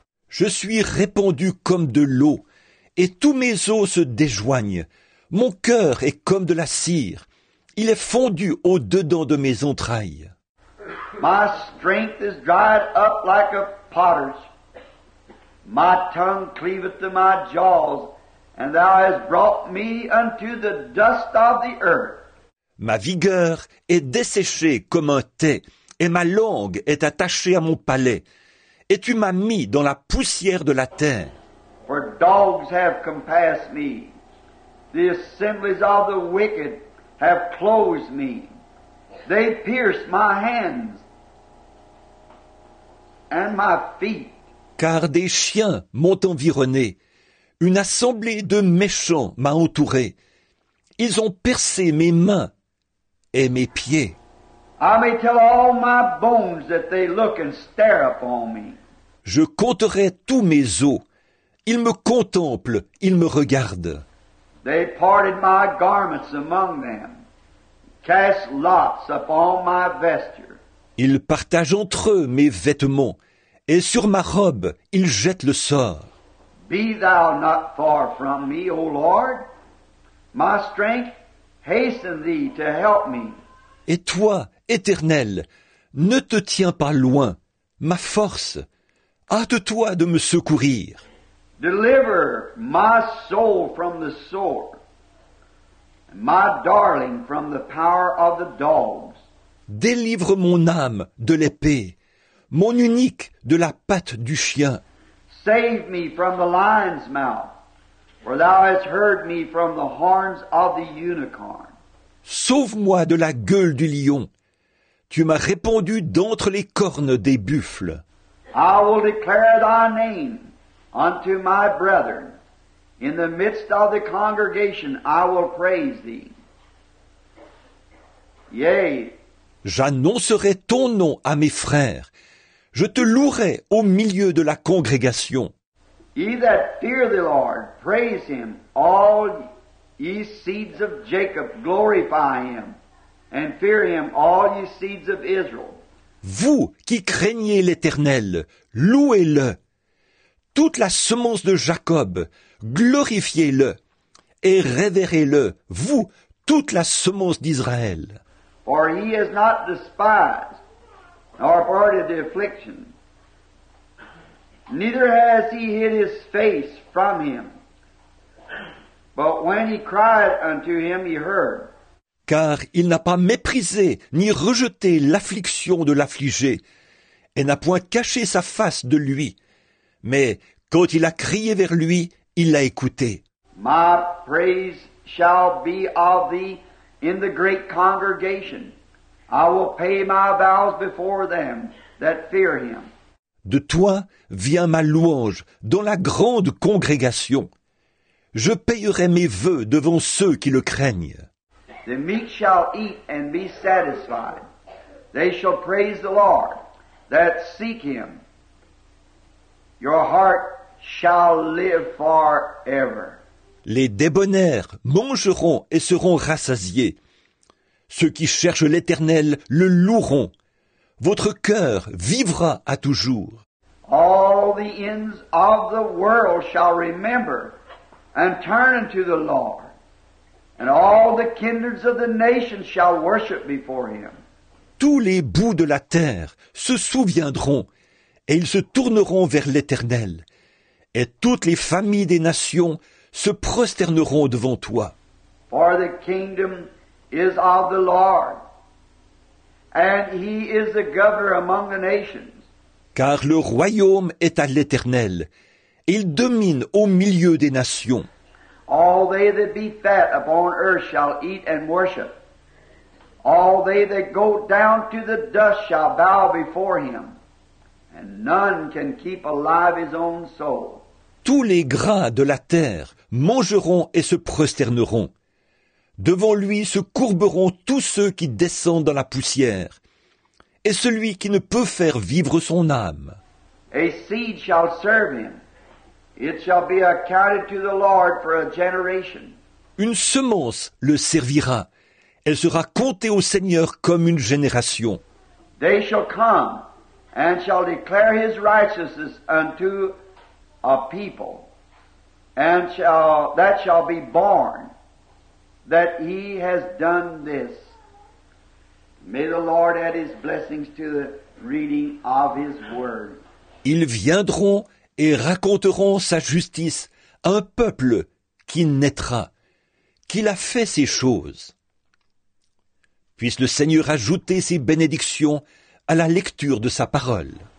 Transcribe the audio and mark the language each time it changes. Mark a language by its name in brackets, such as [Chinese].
[French] Je suis répandu comme de l'eau, et tous mes os se déjoignent. Mon cœur est comme de la cire, il est fondu au-dedans de mes entrailles. [English] My strength is dried up like a potter's. My tongue cleaveth to my jaws, and thou hast brought me unto the dust of the earth. [French] Ma vigueur est desséchée comme un thé, et ma langue est attachée à mon palais, et tu m'as mis dans la poussière de la terre. [English] For dogs have compassed me. The assemblies of the wicked have closed me. They pierced my hands and my feet. [French] Car des chiens m'ont environné. Une assemblée de méchants m'a entouré. Ils ont percé mes mains et mes pieds. [English] I may tell all my bones that they look and stare upon me. [French] Je compterai tous mes os. Ils me contemplent, ils me regardent. [English] They parted my garments among them, cast lots upon my vesture. [French] Ils partagent entre eux mes vêtements, et sur ma robe, ils jettent le sort. [English] Be thou not far from me, O Lord. My strength, hasten thee to help me. [French] Et toi, Éternel, ne te tiens pas loin. Ma force, hâte-toi de me secourir. [English] Deliver my soul from the sword, my darling from the power of the dogs. [French] Délivre mon âme de l'épée, mon unique de la patte du chien. [English] Save me from the lion's mouth, for thou hast heard me from the horns of the unicorn. [French] Sauve-moi de la gueule du lion. Tu m'as répondu d'entre les cornes des buffles. [English] I will declare thy name unto my brethren. In the midst of the congregation I will praise thee. Yea. [French] J'annoncerai ton nom à mes frères. Je te louerai au milieu de la congrégation. [English] Ye that fear the Lord, praise him. All ye seeds of Jacob, glorify him. And fear him, all ye seeds of Israel. [French] Vous qui craignez l'Éternel, louez-le. Toute la semence de Jacob, glorifiez-le et révérez-le, vous, toute la semence d'Israël. [English] For he has not despised nor parted the affliction, neither has he hid his face from him. But when he cried unto him, he heard. [French] Car il n'a pas méprisé ni rejeté l'affliction de l'affligé, et n'a point caché sa face de lui. Mais quand il a crié vers lui, il l'a écouté. [English] My praise shall be of thee in the great congregation. I will pay my vows before them that fear him. [French] De toi vient ma louange dans la grande congrégation. Je payerai mes vœux devant ceux qui le craignent. [English] The meek shall eat and be satisfied. They shall praise the Lord that seek him. Your heart shall live forever. [French] Les débonnaires mangeront et seront rassasiés. Ceux qui cherchent l'Éternel le loueront. Votre cœur vivra à toujours. [English] All the ends of the world shall remember and turn unto the Lord. And all the kindreds of the nations shall worship before him. [French] Tous les bouts de la terre se souviendront, et ils se tourneront vers l'Éternel, et toutes les familles des nations se prosterneront devant toi. [English] For the kingdom is of the Lord, and he is the governor among the nations. [French] Car le royaume est à l'Éternel, et il domine au milieu des nations. [English] All they that be fat upon earth shall eat and worship. All they that go down to the dust shall bow before him. And none can keep alive his own soul. [French] Tous les gras de la terre mangeront et se prosterneront. Devant lui se courberont tous ceux qui descendent dans la poussière. Et celui qui ne peut faire vivre son âme. [English] A seed shall serve him. It shall be accounted to the Lord for a generation. [French] Une semence le servira. Elle sera comptée au Seigneur comme une génération. [English] They shall come and shall declare his righteousness unto a people, and that shall be born that he has done this. May the Lord add his blessings to the reading of his word. [French] Ils viendront et raconteront sa justice à un peuple qui naîtra, qu'il a fait ces choses. Puisse le Seigneur ajouter ses bénédictions à la lecture de sa parole.